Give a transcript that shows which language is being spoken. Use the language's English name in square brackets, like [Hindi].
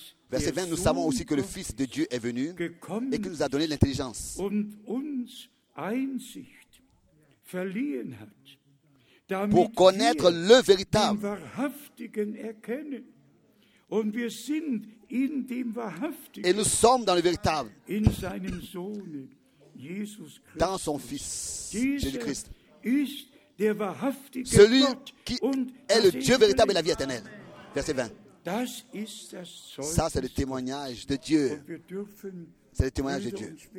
[French] Verset 20, nous savons aussi que le Fils de Dieu est venu et qu'il nous a donné l'intelligence. [German] Und uns Einsicht verliehen hat, damit [French] pour connaître [German] wir [French] le véritable. [German] Den wahrhaftigen erkennen. Und wir sind in dem wahrhaftigen, [French] et nous sommes dans le véritable, [German] in seinem Sohn, Jesus Christus. [French] Dans son Fils, Jésus-Christ. [German] Ist der wahrhaftige [French] celui [German] Gott, [French] qui est le Dieu véritable et la vie éternelle. Verset 20. [German] Das ist das Zeugnis. [French] Ça, c'est le témoignage de Dieu. C'est le témoignage de Dieu.